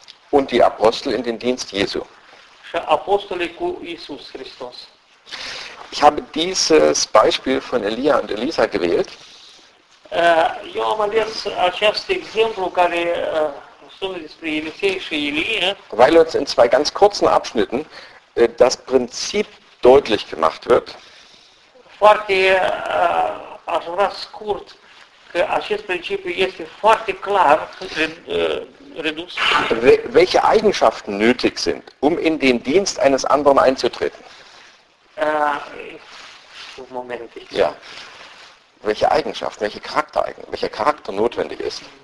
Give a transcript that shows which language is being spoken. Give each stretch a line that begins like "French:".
German: Und die Apostel in den Dienst Jesu.
Romanian: Și apostolii cu Iisus Hristos.
German: Ich habe dieses Beispiel von Elia und Elisa gewählt.
Romanian: Eu am ales acest exemplu care sună despre Elisei și Ilie.
German: Weil uns in zwei ganz kurzen Abschnitten das Prinzip deutlich gemacht wird.
Romanian: Foarte, aș vrea scurt, că acest principiu este foarte clar redus.
German: Welche Eigenschaften nötig sind, um in den Dienst eines anderen einzutreten? Moment. Ja. Welche Eigenschaften, welcher Charakter notwendig ist?